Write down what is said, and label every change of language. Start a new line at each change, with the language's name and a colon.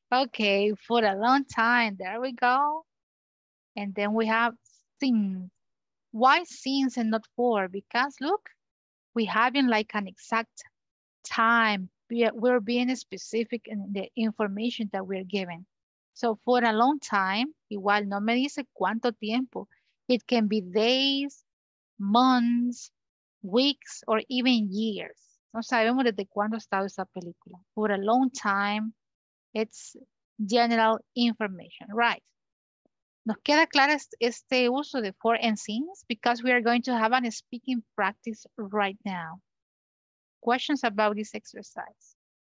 English: Okay, for a long time. There we go. And then we have since. Why since and not for? Because look, we having like an exact time. We're being specific in the information that we're given. So for a long time,
Spanish: igual no me dice cuánto tiempo.
English: It can be days, months, weeks, or even years.
Spanish: No sabemos desde cuándo ha estado esa película.
English: For a long time, it's general information, right?
Spanish: ¿Nos queda claro este uso de
English: for and since? Because we are going to have a speaking practice right now. Questions about this exercise?